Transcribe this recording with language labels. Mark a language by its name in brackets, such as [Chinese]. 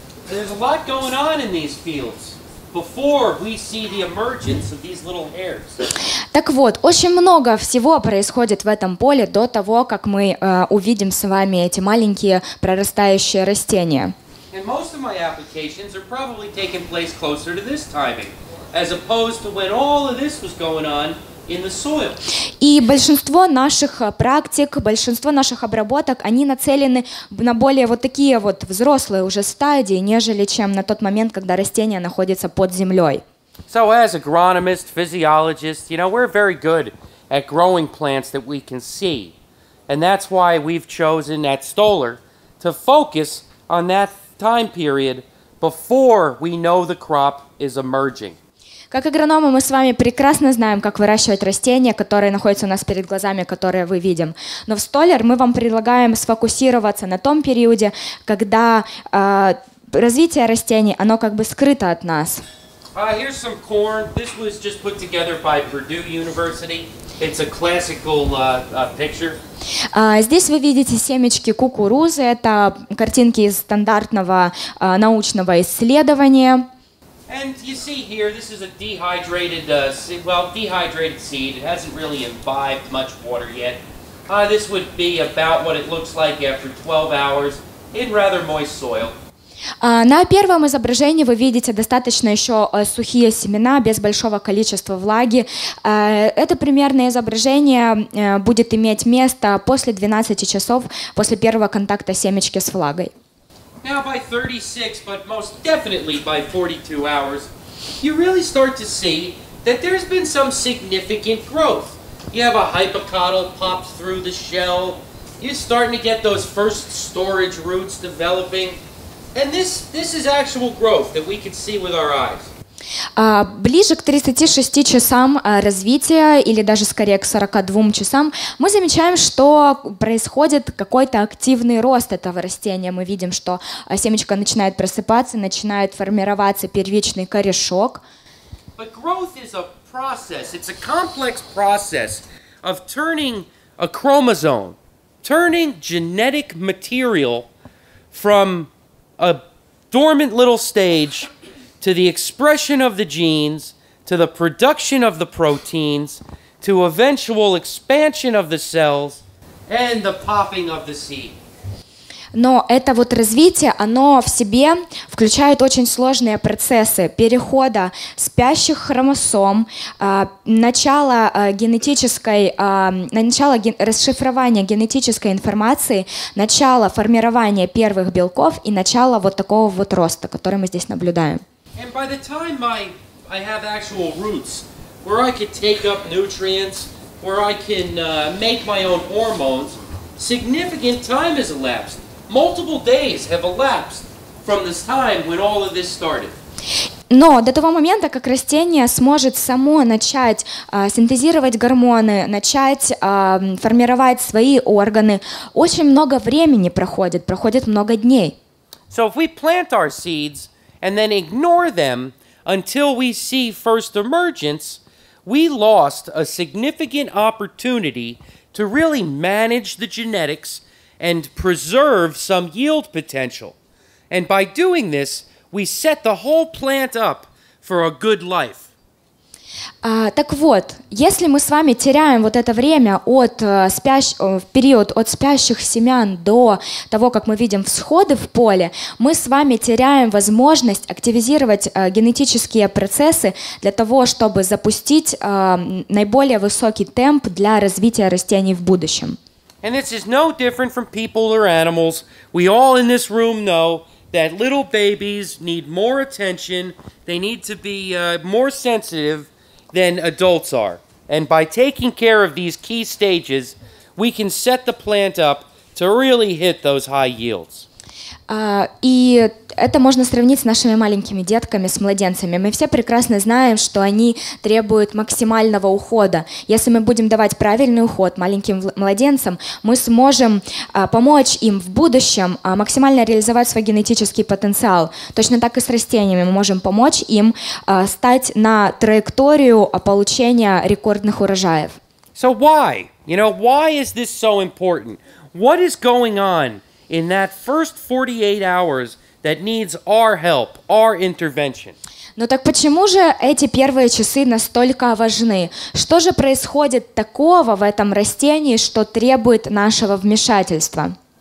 [English] There's a lot going on in these fields before we see the emergence of these little hairs. [Russian] Так вот, очень много всего происходит в этом поле до того, как мы увидим с вами эти маленькие прорастающие растения. [English] And most of my applications are probably taking place closer to this timing, as opposed to when all of this was going on. [Russian] И большинство наших практик, большинство наших обработок, они нацелены на более вот такие вот взрослые уже стадии, нежели чем на тот момент, когда растение находится под землей. [English] So as agronomist, physiologist, you know, we're very good at growing plants that we can see. And that's why we've chosen at Stoller to focus on that time period before we know the crop is emerging. [Russian] Как агрономы, мы с вами прекрасно знаем, как выращивать растения, которые находятся у нас перед глазами, которые мы видим. Но в Stoller мы вам предлагаем сфокусироваться на том периоде, когда развитие растений, оно как бы скрыто от нас. [English] Here's some corn. This was just put together by Purdue University. It's a classical picture. [Russian] Здесь вы видите семечки кукурузы. Это картинки из стандартного научного исследования. [English] And you see here, this is a dehydrated, dehydrated seed. It hasn't really imbibed much water yet. This would be about what it looks like after 12 hours in rather moist soil. [Russian] На первом изображении вы видите достаточно еще сухие семена без большого количества влаги. Это примерное изображение будет иметь место после 12 часов после первого контакта семечки с влагой. [English] Now by 36, but most definitely by 42 hours, you really start to see that there's been some significant growth. You have a hypocotyl pops through the shell. You're starting to get those first storage roots developing. And this is actual growth that we can see with our eyes. [Russian] Ближе к 36 часам развития, или даже скорее к 42 часам, мы замечаем, что происходит какой-то активный рост этого растения. Мы видим, что семечко начинает просыпаться, начинает формироваться первичный корешок. [English] But growth is a process. It's a complex process of turning a chromosome, turning genetic material from a dormant little stage to the expression of the genes, to the production of the proteins, to eventual expansion of the cells, and the popping of the seed. [Russian] Но это вот развитие, оно в себе включает очень сложные процессы перехода спящих хромосом, начала генетической, начала расшифрования генетической информации, начала формирования первых белков и начала вот такого вот роста, который мы здесь наблюдаем. [English] And by the time I have actual roots, where I could take up nutrients, where I can make my own hormones, significant time has elapsed. Multiple days have elapsed from this time when all of this started. [Russian] Но до того момента, как растение сможет само начать синтезировать гормоны, начать формировать свои органы, очень много времени проходит, проходит много дней. [English] So if we plant our seeds and then ignore them until we see first emergence, we lost a significant opportunity to really manage the genetics and preserve some yield potential. And by doing this, we set the whole plant up for a good life. [Russian] Так вот, если мы с вами теряем вот это время от период от спящих семян до того, как мы видим всходы в поле, мы с вами теряем возможность активизировать генетические процессы для того, чтобы запустить наиболее высокий темп для развития растений в будущем. [English] And this is no different from people or animals. We all in this room know that little babies need more attention, they need to be more sensitive than adults are. And by taking care of these key stages, we can set the plant up to really hit those high yields. [Russian] И это можно сравнить с нашими маленькими детками, с младенцами. Мы все прекрасно знаем, что они требуют максимального ухода. Если мы будем давать правильный уход маленьким младенцам, мы сможем помочь им в будущем максимально реализовать свой генетический потенциал. Точно так и с растениями. Мы можем помочь им стать на траекторию получения рекордных урожаев. [English] So why? You know, why is this so important? What is going on in that first 48 hours that needs our help, our intervention? [Russian] Но так почему же эти первые часы настолько важны? Что же происходит такого в этом растении, что требует нашего вмешательства?